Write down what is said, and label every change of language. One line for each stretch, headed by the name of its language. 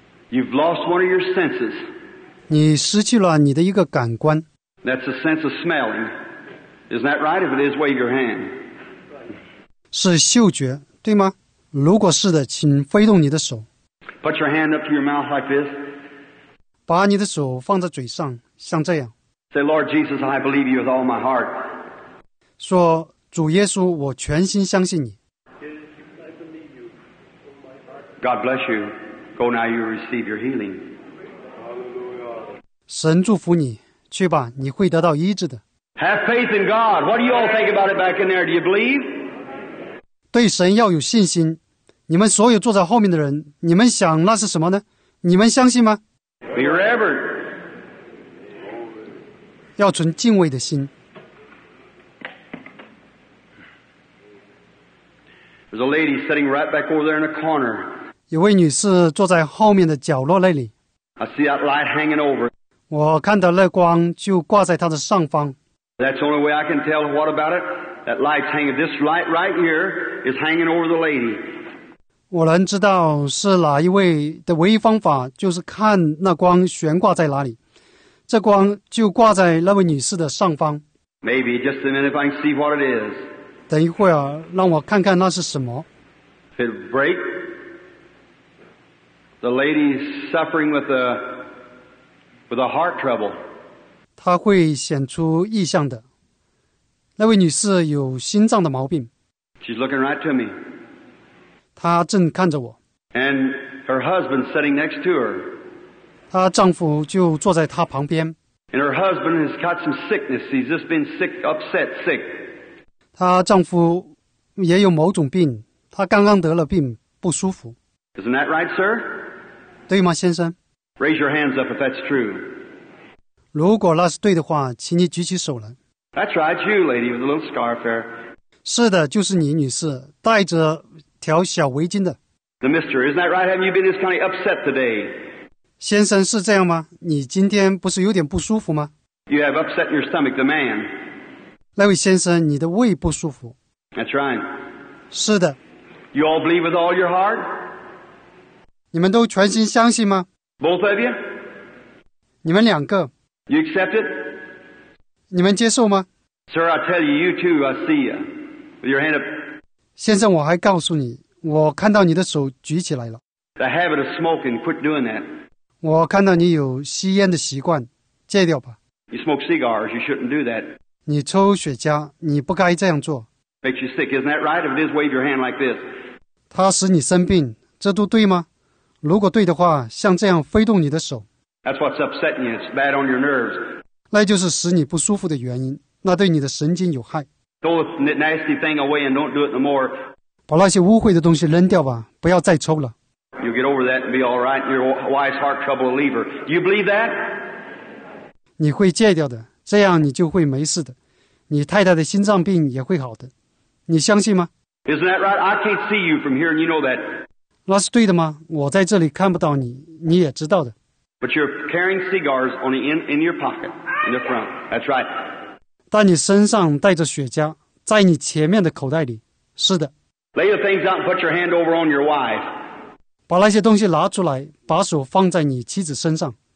English: You've lost one of your senses.
Chinese: 你失去了你的一个感官。
English: That's a sense of smelling. Isn't that right? If it is, wave your hand.
Chinese: 是嗅觉，对吗？如果是的，请挥动你的手。
English: Put your hand up to your mouth like this.
Chinese: 把你的手放在嘴上，像这样。
English: Say, Lord Jesus, I believe you with all my heart.
Chinese: 说主耶稣，我全心相信你。
English: God bless you. Go now, you receive your healing.
Chinese: 神祝福你，去吧，你会得到医治的。
English: Have faith in God. What do you all think about it back in there? Do you believe?
Chinese: 对神要有信心。你们所有坐在后面的人，你们想那是什么呢？你们相信吗？
English: Be reverent.
Chinese: 要存敬畏的心。
English: There's a lady sitting right back over there in a corner.
Chinese: 有位女士坐在后面的角落那里。
English: I see that light hanging over.
Chinese: 我看到那光就挂在她的上方。
English: That's the only way I can tell what about it. That light's hanging. This light right here is hanging over the lady.
Chinese: 我能知道是哪一位的唯一方法就是看那光悬挂在哪里。这光就挂在那位女士的上方。
English: Maybe just a minute if I can see what it is.
Chinese: 等一会儿，让我看看那是什么。
English: It break. The lady's suffering with a heart trouble.
Chinese: 她会显出异象的。那位女士有心脏的毛病。
English: She's looking right to me.
Chinese: 她正看着我。
English: And her husband sitting next to her.
Chinese: 她丈夫就坐在她旁边。
English: And her husband has got some sickness. He's just been sick, upset, sick.
Chinese: 她丈夫也有某种病，她刚刚得了病，不舒服。
English: Isn't that right, sir?
Chinese: 对吗，先生？
English: Raise your hands up if that's true.
Chinese: 如果那是对的话，请你举起手来。
English: That's right, you lady with a little scarf there.
Chinese: 是的，就是你，女士，戴着条小围巾的。
English: The mister, isn't that right? Haven't you been this kind of upset today?
Chinese: 先生是这样吗？你今天不是有点不舒服吗？
English: You have upset your stomach, the man.
Chinese: 那位先生，你的胃不舒服。
English: That's right.
Chinese: 是的。
English: You all believe with all your heart?
Chinese: 你们都全心相信吗？
English: Both of you?
Chinese: 你们两个。
English: You accept it?
Chinese: 你们接受吗？
English: Sir, I tell you, you too, I see you. With your hand up.
Chinese: 先生，我还告诉你，我看到你的手举起来了。
English: The habit of smoking, quit doing that.
Chinese: 我看到你有吸烟的习惯，戒掉吧。
English: You smoke cigars, you shouldn't do that.
Chinese: 你抽雪茄，你不该这样做。
English: Makes you sick, isn't that right? If it is, wave your hand like this.
Chinese: 它使你生病，这都对吗？如果对的话，像这样挥动你的手。
English: That's what's upsetting you. It's bad on your nerves.
Chinese: 那就是使你不舒服的原因，那对你的神经有害。
English: Throw the nasty thing away and don't do it no more.
Chinese: 把那些污秽的东西扔掉吧，不要再抽了。
English: You'll get over that and be all right. Your wife's heart trouble will leave her. Do you believe that?
Chinese: 你会戒掉的。这样你就会没事的，你太太的心脏病也会好的，你相信吗？
English: Isn't that right? I can't see you from here, and you know that.
Chinese: 那是对的吗？我在这里看不到你，你也知道的。
English: But you're carrying cigars on the in your pocket. in the front. That's right.
Chinese: 但你身上带着雪茄，在你前面的口袋里。是的。
English: Lay the things out and put your hand over on your wife.
Chinese: 把那些东西拿出来，把手放在你妻子身上。